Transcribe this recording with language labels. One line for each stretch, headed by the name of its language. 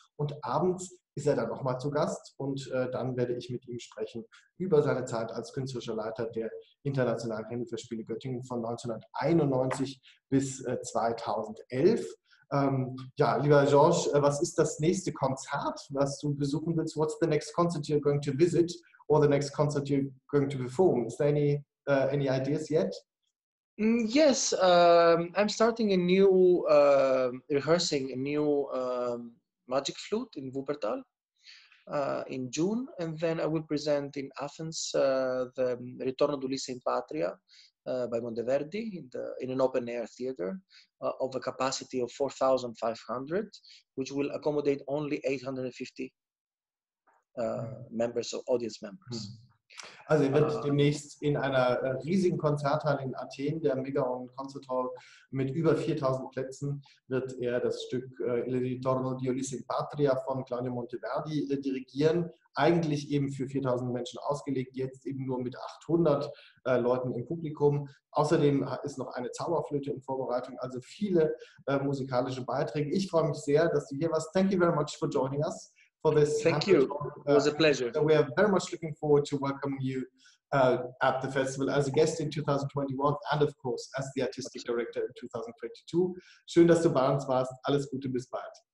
German: Und abends ist er dann nochmal zu Gast und dann werde ich mit ihm sprechen über seine Zeit als künstlerischer Leiter der Internationalen Händelfestspiele Göttingen von 1991 bis 2011. Ja, lieber Georges, was ist das nächste Konzert, was du besuchen willst?
English: What's the next concert you're going to visit or the next concert you're going to perform? Is there any ideas yet? Yes, I'm starting a new, rehearsing a new magic flute in Wuppertal in June, and then I will present in Athens the Ritorno d'Ulisse in Patria by Monteverdi in an open air theater of a capacity of 4,500, which will accommodate only 850 audience members. Mm.
German: Also ihr werdet demnächst in einer riesigen Konzerthalle in Athen, der Megaon Concert Hall mit über 4000 Plätzen, wird er das Stück Il Ritorno di Ulisse in Patria von Claudio Monteverdi dirigieren. Eigentlich eben für 4000 Menschen ausgelegt, jetzt eben nur mit 800 Leuten im Publikum. Außerdem ist noch eine Zauberflöte in Vorbereitung, also viele musikalische Beiträge. Ich freue mich sehr, dass du hier warst.
English: Thank you very much for joining us. For this. Thank you. It was a pleasure. So we are very much looking forward to welcoming you at the festival as a guest in 2021 and of course as the artistic director in 2022.
German: Schön, dass du bei uns warst. Alles Gute, bis bald.